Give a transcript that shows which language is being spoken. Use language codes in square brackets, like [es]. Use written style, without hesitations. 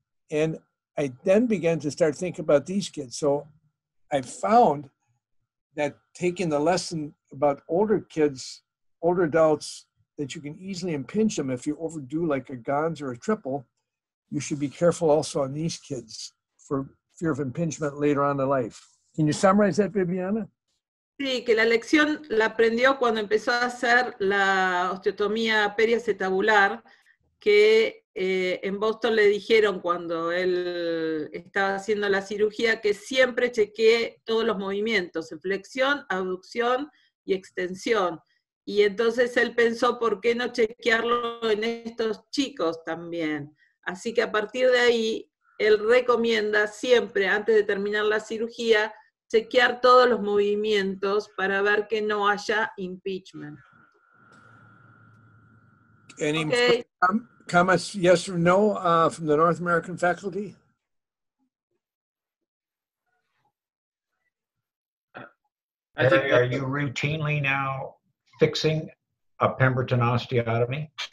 [en] And I then began to start thinking about these kids. So I found that taking the lesson about older kids, older adults, that you can easily impinge them if you overdo like a GONS or a triple, you should be careful also on these kids for fear of impingement later on in life. Can you summarize that, Bibiana? [es] Sí, que la lección la aprendió cuando empezó a hacer la osteotomía periacetabular, que en Boston le dijeron cuando él estaba haciendo la cirugía que siempre chequee todos los movimientos, flexión, abducción y extensión. Y entonces él pensó, ¿por qué no chequearlo en estos chicos también? Así que a partir de ahí, él recomienda siempre, antes de terminar la cirugía, chequear todos los movimientos para ver que no haya impeachment. [en] Any comments, yes or no, from the North American faculty? Are you routinely now fixing a Pemberton osteotomy?